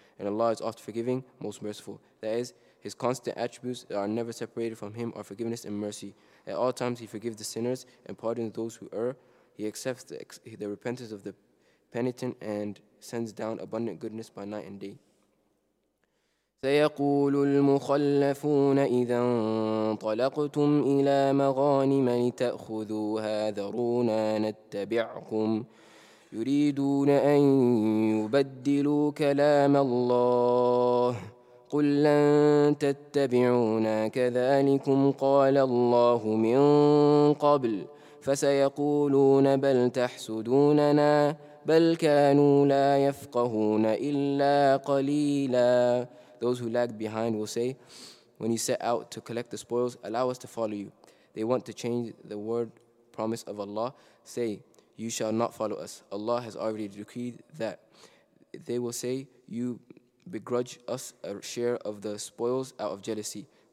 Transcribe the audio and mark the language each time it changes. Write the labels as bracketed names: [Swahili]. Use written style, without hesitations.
[English] And Allah is oft forgiving, most merciful. That is, His constant attributes that are never separated from Him are forgiveness and mercy. At all times, He forgives the sinners and pardons those who err. He accepts the repentance of the penitent and sends down abundant goodness by night and day. [Arabic] سيقول المخلفون إذا انطلقتم إلى مغانم لتأخذوها ذرونا نتبعكم يريدون أن يبدلوا كلام الله قل لن تتبعونا كذلكم قال الله من قبل فسيقولون بل تحسدوننا بل كانوا لا يفقهون إلا قليلا. [English] Those who lag behind will say, when you set out to collect the spoils, allow us to follow you. They want to change the word promise of Allah. Say, you shall not follow us. Allah has already decreed that. They will say, you begrudge us a share of the spoils out of jealousy.